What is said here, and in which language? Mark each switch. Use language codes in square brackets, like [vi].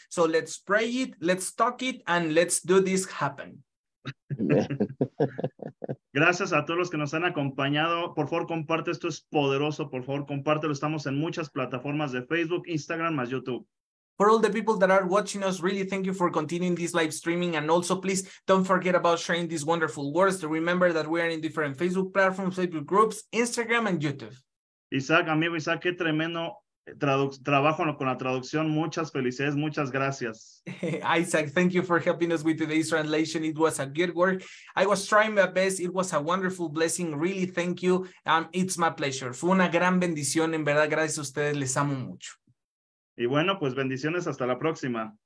[en] So let's pray it, let's talk it, and let's do this happen. [es] Gracias a todos los que nos han acompañado. Por favor, comparte, esto es poderoso. Por favor, compártelo. Estamos en muchas plataformas de Facebook, Instagram, más YouTube. [en] For all the people that are watching us, really thank you for continuing this live streaming. And also, please don't forget about sharing these wonderful words. Remember that we are in different Facebook platforms, Facebook groups, Instagram, and YouTube. [es] Isaac, amigo Isaac, qué tremendo trabajo con la traducción. Muchas felicidades, muchas gracias. [en] Isaac, thank you for helping us with today's translation. It was a good work. I was trying my best. It was a wonderful blessing. Really, thank you. It's my pleasure. [es] Fue una gran bendición. En verdad, gracias a ustedes. Les amo mucho. Y bueno, pues bendiciones, hasta la próxima.